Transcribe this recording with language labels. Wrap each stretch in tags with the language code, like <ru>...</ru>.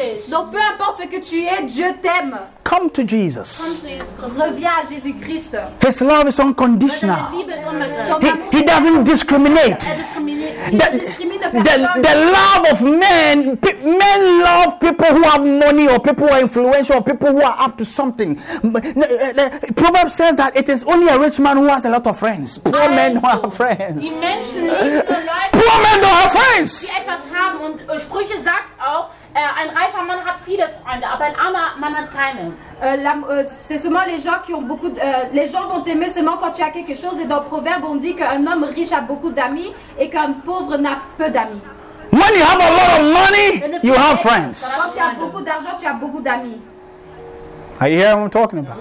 <fr>Donc peu importe que tu es, Dieu t'aime.</fr> <en>Come to Jesus.</en> <fr>Reviens à Jésus-Christ.</fr> <en>His love is unconditional. He doesn't discriminate. The love of men love people who have money or people who are influential or people who are up to something. Proverbs says that it is only a rich man who has a lot of friends. Poor men don't have friends. Poor men don't have friends.</en> <de>Die etwas haben. Und Sprüche sagt auch, ein reicher Mann hat viele Freunde, aber ein armer Mann hat keine.</de> <fr>C'est seulement les gens qui ont beaucoup de, les gens vont t'aimer seulement quand tu as quelque chose. Et dans Proverbe on dit qu'un homme riche a beaucoup d'amis et qu'un pauvre n'a peu d'amis.</fr> <en>When you have a lot of money, you have friends.</en> <fr>Quand tu as beaucoup d'argent, tu as beaucoup d'amis.</fr> <en>Are you hearing what I'm talking about?</en>